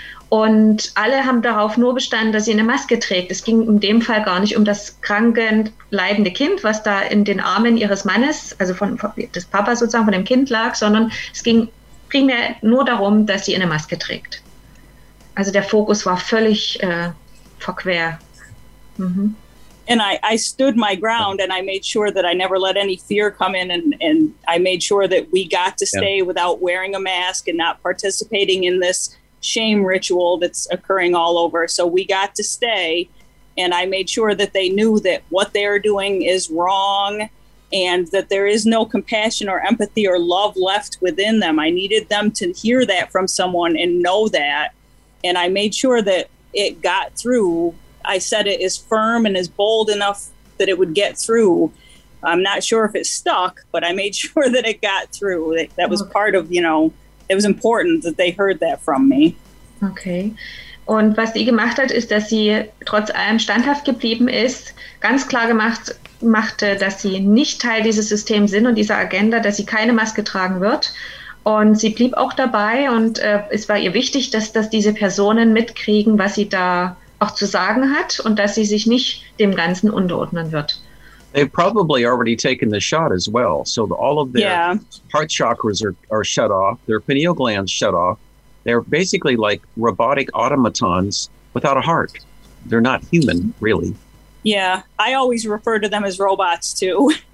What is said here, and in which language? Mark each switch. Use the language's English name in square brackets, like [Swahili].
[German] Und alle haben darauf nur bestanden, dass sie eine Maske trägt. Es ging in dem Fall gar nicht um das kranke, leidende Kind, was da in den Armen ihres Mannes, also von des Papas sozusagen, von dem Kind lag, sondern es ging primär nur darum, dass sie eine Maske trägt. Also der Fokus war völlig verquer. Mhm. [English] And I stood my ground and I made sure that I never let any fear come in and I made sure that we got to stay yeah. without wearing a mask and not participating in this shame ritual that's occurring all over. So we got to stay and I made sure that they knew that what they're doing is wrong and that there is no compassion or empathy or love left within them. I needed them to hear that from someone and know that. And I made sure that it got through. I said it is firm and is bold enough that it would get through. I'm not sure if it stuck, but I made sure that it got through. That was part of, you know, it was important that they heard that from me. Okay. [German] Und was sie gemacht hat, ist, dass sie trotz allem standhaft geblieben ist, ganz klar gemacht, machte, dass sie nicht Teil dieses Systems sind und dieser Agenda, dass sie keine Maske tragen wird. Und sie blieb auch dabei und es war ihr wichtig, dass diese Personen mitkriegen, was sie da auch zu sagen hat und dass sie sich nicht dem Ganzen unterordnen wird. [English] They've probably already taken the shot as well. So all of their heart chakras are shut off, their pineal glands shut off. They're basically like robotic automatons without a heart. They're not human, really. Yeah, I always refer to them as robots, too.